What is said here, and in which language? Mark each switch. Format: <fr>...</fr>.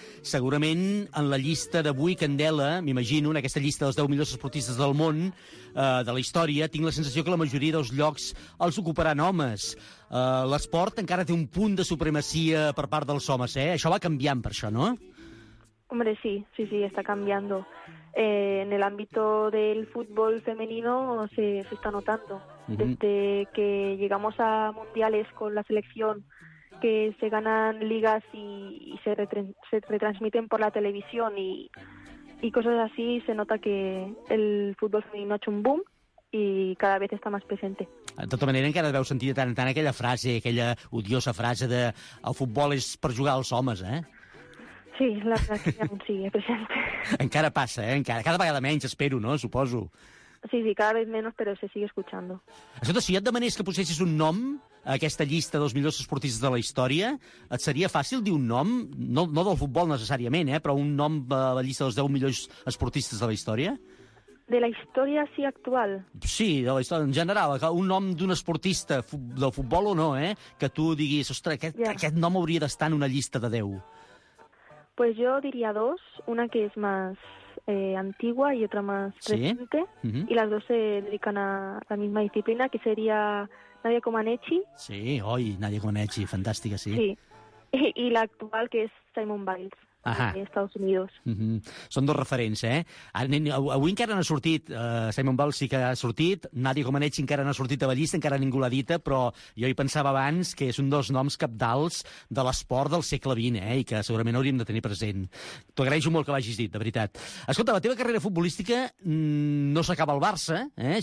<ca>Segurament en la llista d'avui, Candela, m'imagino, en aquesta llista dels 10 millors esportistes del món, de la història, tinc la sensació que la majoria dels llocs els ocuparan homes. L'esport encara té un punt de supremacia per part dels homes, eh? Això va canviant per això, no?</ca> <es>Hombre, sí, está cambiando. En el ámbito del fútbol femenino se está notando. Uh-huh. Desde que llegamos a mundiales con la selección, que se ganan ligas y se retransmiten por la televisión y cosas así, se nota que el fútbol femenino ha hecho un boom y cada vez está más presente.</es> <ca>De tota manera, encara deveu sentir de tant en tant aquella frase, aquella odiosa frase de el futbol és per jugar als homes, eh?</ca> <es>Sí, la verdad que sí, es presente.</es> <ca>Encara passa, eh? Encara, cada vegada menys, espero, no? Suposo.</ca> <es>Sí, cada vez menos, pero se sigue escuchando.</es> <ca>Escolta, si jo et demanés que posessis un nom a aquesta llista dels millors esportistes de la història, et seria fàcil dir un nom, no del futbol necessàriament, eh? Però un nom a la llista dels 10 millors esportistes de la història? De la història, sí, actual. Sí, de la història, en general. Un nom d'un esportista, del futbol o no, eh? Que tu diguis, ostres, aquest nom hauria d'estar en una llista de 10.</ca> <es>Pues yo diría dos, una que es más antigua y otra más reciente, y las dos se dedican a la misma disciplina, que sería Nadia Comaneci. Sí, hoy Nadia Comaneci, fantástica, sí. Sí, y la actual que es Simone Biles.</es> <ca>Ajà. Estats Units. Mm-hmm. Són dos referents, eh? Avui encara n'ha sortit, Simon Ball sí que ha sortit, Nadia Comaneci encara n'ha sortit a la llista, encara ningú l'ha dita, però jo hi pensava abans que és un dels noms capdals de l'esport del segle XX, eh? I que segurament hauríem de tenir present. T'ho agraeixo molt que l'hagis dit, de veritat. Escolta, la teva carrera futbolística no s'acaba al Barça, eh?</ca>